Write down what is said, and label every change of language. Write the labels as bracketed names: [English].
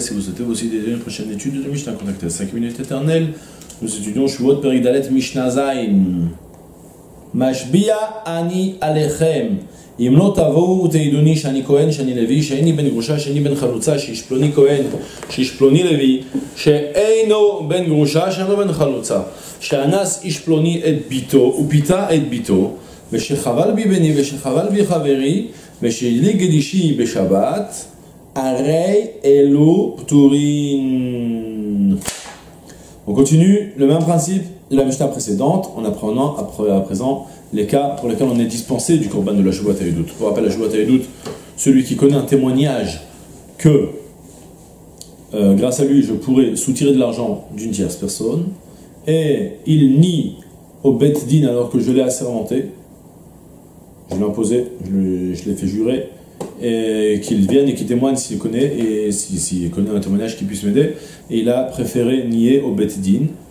[French] Si vous souhaitez aussi déjà une prochaine étude de Mishnah, contactez 5 minutes éternelles. Nous étudions Shuvot, Peridalet, Mishnah, Zain. [Hebrew] Mashbia, Ani, Alechem. אם לא תבואו תעידוני שאני כהן, שאני לוי, שאיני בן גרושה, שאיני בן חלוצה, שיש פלוני כהן, שיש פלוני לוי, שאינו בן גרושה, שאינו בן חלוצה, שאנס איש פלוני את ביתו, ופיתה את ביתו, ושחבל בי בני, ושחבל בי חברי, ושלי גדישי בשבת, הרי אלו פטורין. [French] On continue le même principe de la Mishnah précédente en apprenant à présent les cas pour lesquels on est dispensé du korban de la Shavuot HaYedut. Pour rappel, la Shavuot HaYedut, celui qui connaît un témoignage que grâce à lui je pourrais soutirer de l'argent d'une tierce personne et il nie au Beit Din alors que je l'ai assermenté, je l'ai imposé, je l'ai fait jurer, et qu'il vienne et qu'il témoigne s'il connaît, et s'il connaît un témoignage qui puisse m'aider, et il a préféré nier au Beit Din.